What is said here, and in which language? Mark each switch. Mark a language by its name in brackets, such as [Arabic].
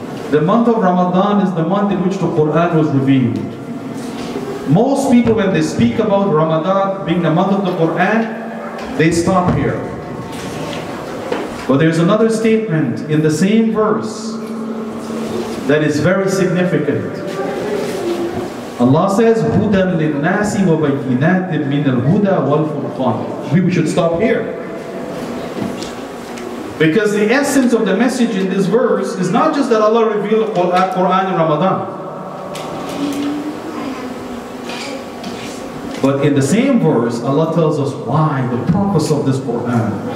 [English] The month of Ramadan is the month in which the Quran was revealed. Most people, when they speak about Ramadan being the month of the Quran, they stop here. But there's another statement in the same verse that is very significant. [Arabic] Allah says, هُدًى لِلنَّاسِ وَبَيِّنَاتٍ مِنَ الْهُدَى وَالْفُرْقَانِ. [English] We should stop here. Because the essence of the message in this verse is not just that Allah revealed the Quran in Ramadan. But in the same verse, Allah tells us why, the purpose of this Quran.